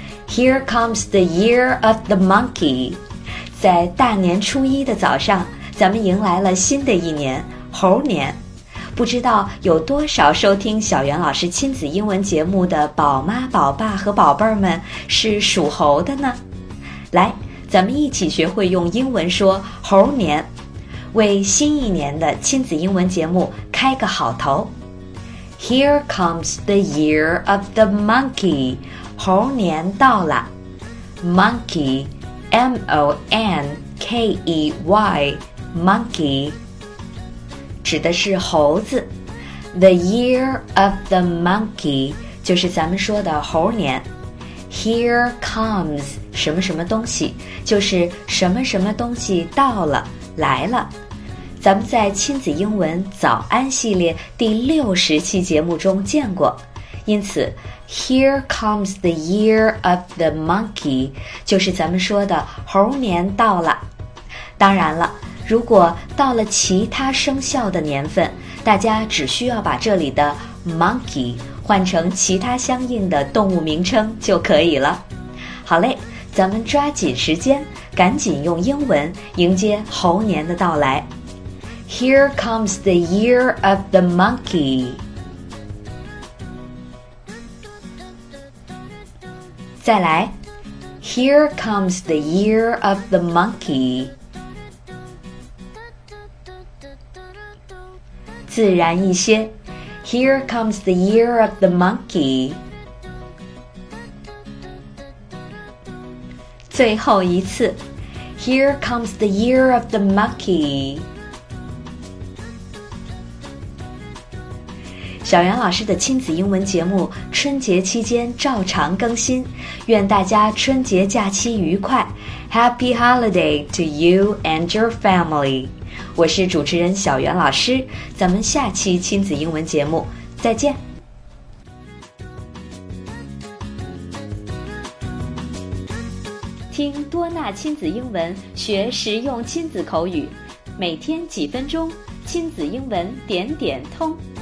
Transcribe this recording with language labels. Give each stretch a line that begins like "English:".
English: Here comes the year of the monkey.
Chinese: 在大年初一的早上，咱们迎来了新的一年，猴年。不知道有多少收听小袁老师亲子英文节目的宝妈宝爸和宝贝儿们是属猴的呢？来，咱们一起学会用英文说猴年，为新一年的亲子英文节目开个好头。
English: Here comes the year of the monkey.
Chinese: 猴年到了。
English: Monkey, M-O-N-K-E-Y, monkey.
Chinese: 指的是猴子。
English: The year of the monkey
Chinese: 就是咱们说的猴年。
English: Here comes
Chinese: 什么什么东西，就是什么什么东西到了，来了。咱们在亲子英文早安系列第60期节目中见过，因此
English: Here comes the year of the monkey
Chinese: 就是咱们说的猴年到了。当然了，如果到了其他生肖的年份，大家只需要把这里的 monkey 换成其他相应的动物名称就可以了。好嘞，咱们抓紧时间，赶紧用英文迎接猴年的到来。
English: Here comes the year of the monkey. Here comes the year of the monkey.
Chinese: 自然一些。
English: Here comes the year of the monkey.
Chinese: 最后一次。
English: Here comes the year of the monkey.
Chinese: 小袁老师的亲子英文节目春节期间照常更新，愿大家春节假期愉快。
English: Happy holiday to you and your family.
Chinese: 我是主持人小袁老师，咱们下期亲子英文节目再见。听多纳亲子英文，学实用亲子口语，每天几分钟，亲子英文点点通。